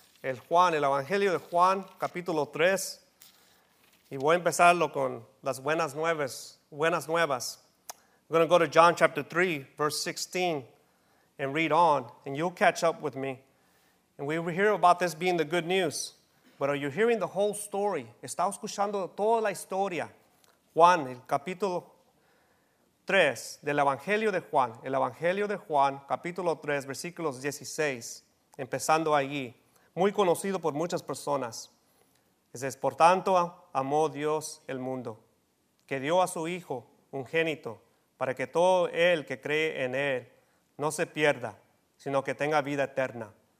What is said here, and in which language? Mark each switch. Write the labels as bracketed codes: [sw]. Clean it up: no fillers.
[es] El Evangelio de Juan, capítulo 3. Y voy a empezarlo con las buenas nuevas. [en] I'm going to go to John chapter 3, verse 16, and read on, and you'll catch up with me. And we hear about this being the good news, but are you hearing the whole story? [es] ¿Está escuchando toda la historia? Juan, el capítulo 3 del Evangelio de Juan. El Evangelio de Juan, capítulo 3, versículos 16, empezando allí. Muy conocido por muchas personas. Dice, por tanto, amó Dios el mundo, que dio a su Hijo ungénito, para que todo el que cree en Él no se pierda, sino que tenga vida eterna.